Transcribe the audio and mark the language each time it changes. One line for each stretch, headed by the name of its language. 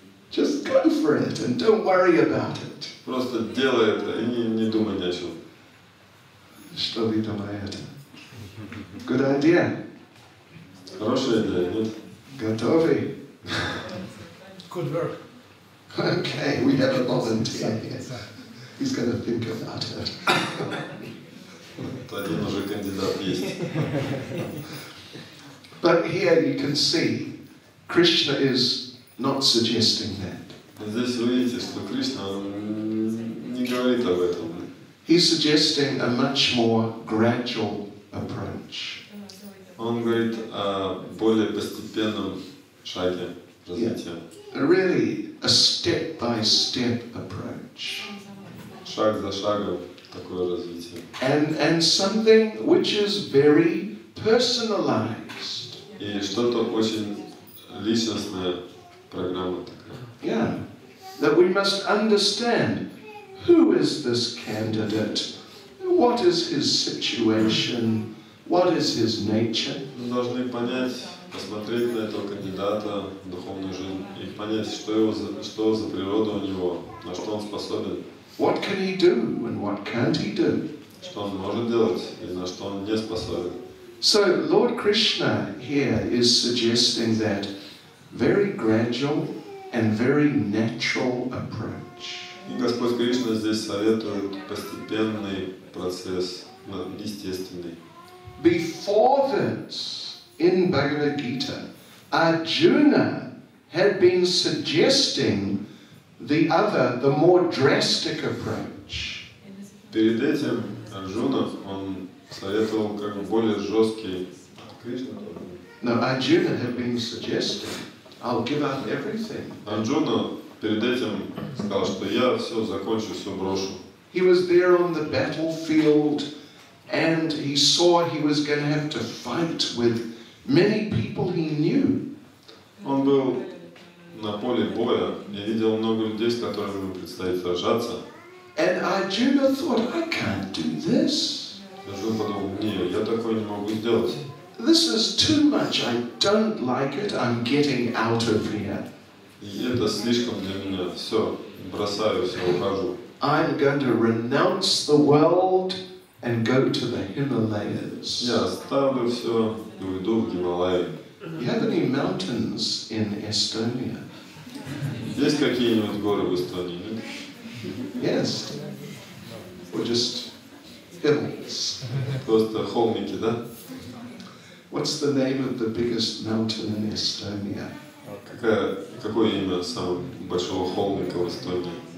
English: Just go for it and don't worry about it.
Russian: Просто делай это и не думай ни о чем. Что ты думаешь?
English: Good idea.
Russian: Хорошая идея, нет? Готовы?
English: Good work. Okay, we have a volunteer here. He's going to think about it.
Russian: Один уже кандидат есть.
English: But here you can see, Krishna is not suggesting that.
Russian: Здесь вы видите, что Кришна не говорит об этом.
English: He's suggesting a much more gradual approach.
Russian: Он говорит о более постепенном шаге развития.
English: Really, a step-by-step approach.
Russian: Шаг за шагом.
English: And something which is very personalized.
Russian: И что-то очень личностная программа такая.
English: Yeah, that we must understand who is this candidate, what is his situation, what is his nature.
Russian: Мы должны понять, посмотреть на этого кандидата в духовную жизнь и понять, что за природа у него, на что он способен.
English: What can he do and what can't he do?
Russian: Что он может делать и на что он не способен?
English: So Lord Krishna here is suggesting that very gradual and very natural approach.
Russian: И Господь Кришна здесь советует постепенный процесс, естественный.
English: Before this, in Bhagavad Gita, Arjuna had been suggesting the other, the more drastic approach.
Russian: Перед этим Арджуна, он советовал как бы более жесткий. Кришна тоже.
English: Now Arjuna had been suggesting, I'll give up everything.
Russian: Arjuna перед этим сказал, что я все закончу, все брошу.
English: He was there on the battlefield, and he saw he was going to have to fight with many people he knew.
Russian: Он был на поле боя, я видел много людей, с которыми ему предстоит сражаться.
English: And Arjuna thought, I can't do this.
Russian: Arjuna подумал, нет, я такое не могу сделать.
English: This is too much. I don't like it. I'm getting out of here.
Russian: Это слишком для меня. Все, бросаю, все, ухожу.
English: I'm going to renounce the world and go to the Himalayas.
Russian: Я оставлю все и уйду в Гималаи.
English: Do you have any mountains in Estonia?
Russian: Есть какие-нибудь горы в Эстонии, нет?
English: Yes. Or just hills.
Russian: Просто холмики, да?
English: What's the name of the biggest mountain in Estonia?
Russian: Какое имя самого большого холмика в Эстонии?